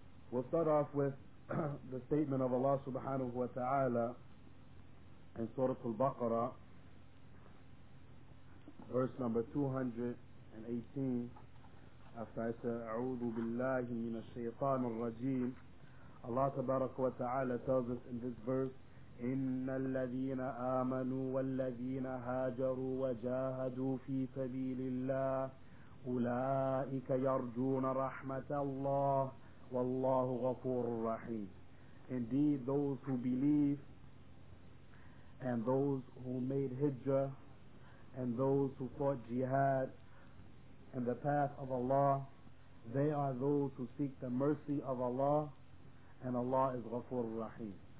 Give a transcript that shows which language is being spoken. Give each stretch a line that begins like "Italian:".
English: We'll start off with the statement of Allah subhanahu wa ta'ala in Surah Al-Baqarah, verse number 218, after I said, A'udhu billahi minash shaytan ar-rajim.
Arabic: Allah tabaraka wa ta'ala
English: tells us in this verse,
Arabic: إِنَّ الَّذِينَ آمَنُوا وَالَّذِينَ هَاجَرُوا وَجَاهَدُوا فِي سَبِيلِ اللَّهِ أُولَٰئِكَ يَرْجُونَ رَحْمَةَ اللَّهِ وَاللَّهُ غَفُورٌ رَحِيمٌ.
English: Indeed, those who believe and those who made hijrah and those who fought jihad in the path of Allah, they are those who seek the mercy of Allah, and Allah is
Arabic: غفور رحيم.